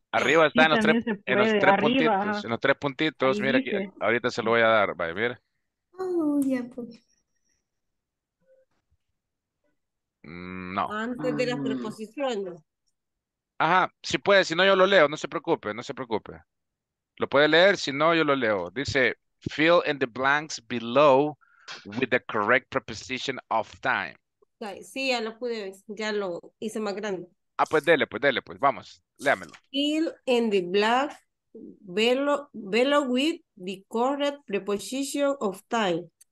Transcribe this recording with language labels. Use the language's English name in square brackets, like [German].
[Spanish] Arriba está, sí, en los tres arriba, puntitos. Ajá. En los tres puntitos, ahí mira, aquí, ahorita se lo voy a dar. Vale, mira. Oh, ya, pues. No. Antes de las preposiciones. Ajá, si puede, si no yo lo leo, no se preocupe, no se preocupe. Lo puede leer, si no yo lo leo. Dice, [English] fill in the blanks below with the correct preposition of time. [Spanish] Sí, ya lo pude ver, ya lo hice más grande. Ah, pues dele, vamos, léamelo. [English] Fill in the blanks below with the correct preposition of time.